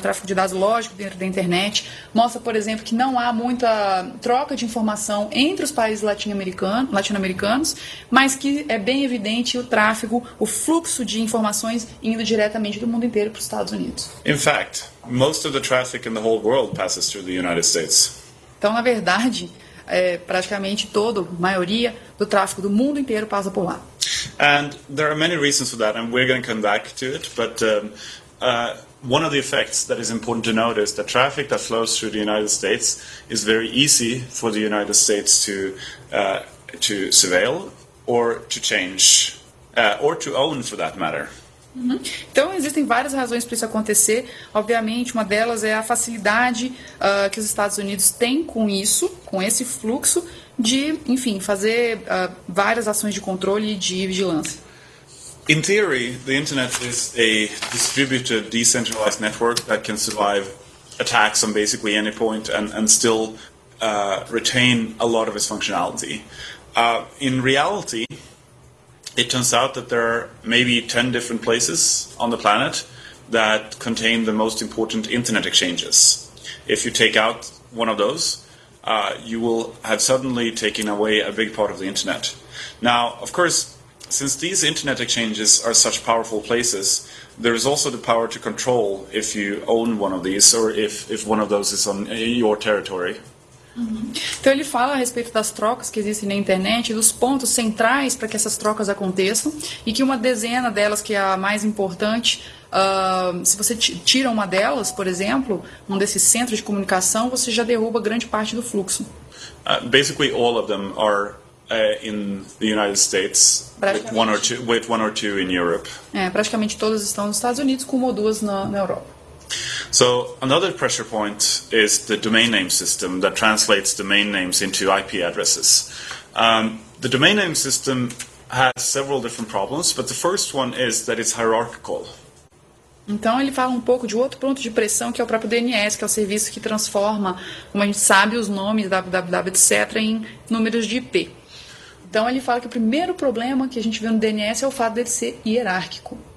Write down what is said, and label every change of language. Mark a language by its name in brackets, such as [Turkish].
[Portuguese] Tráfego de dados lógico dentro da internet. Mostra, por exemplo, que não há muita troca de informação entre os países latino-americanos, mas que é bem evidente o tráfego, o fluxo de informações indo diretamente do mundo inteiro para os Estados Unidos. [English] In fact, most of the traffic in the whole world passes through the United States. [Portuguese] Então, na verdade, praticamente todo, maioria do tráfego do mundo inteiro passa por lá. [English] And there are many reasons for that, and we're going to come back to it, but one of the effects that is important to note is that traffic that flows through the United States is very easy for the United States to surveil or to change, or to own for that matter. [Portuguese] Uhum. Então existem várias razões para isso acontecer. Obviamente, uma delas é a facilidade que os Estados Unidos têm com isso, com esse fluxo de, enfim, fazer várias ações de controle e de vigilância. [English] In theory, the internet is a distributed, decentralized network that can survive attacks on basically any point and still retain a lot of its functionality. In reality, it turns out that there are maybe 10 different places on the planet that contain the most important internet exchanges. If you take out one of those, you will have suddenly taken away a big part of the internet. Now, of course, since these internet exchanges are such powerful places, there is also the power to control if you own one of these or if one of those is on your territory. [Portuguese] Então ele fala a respeito das trocas que existem na internet, dos pontos centrais para que essas trocas aconteçam, e que uma dezena delas, que é a mais importante, se você tira uma delas, por exemplo, um desses centros de comunicação, você já derruba grande parte do fluxo. [English] Basically all of them are in the United States, with one or two in Europe. [Portuguese] Praticamente todas estão nos Estados Unidos, com uma ou duas na Europa. [English] So another pressure point is the domain name system that translates domain names into IP addresses. The domain name system has several different problems, but the first one is that it's hierarchical. [Portuguese] Então ele fala um pouco de outro ponto de pressão, que é o próprio DNS, que é o serviço que transforma, como a gente sabe, os nomes www, etc., em números de IP. Então ele fala que o primeiro problema que a gente vê no DNS é o fato dele ser hierárquico.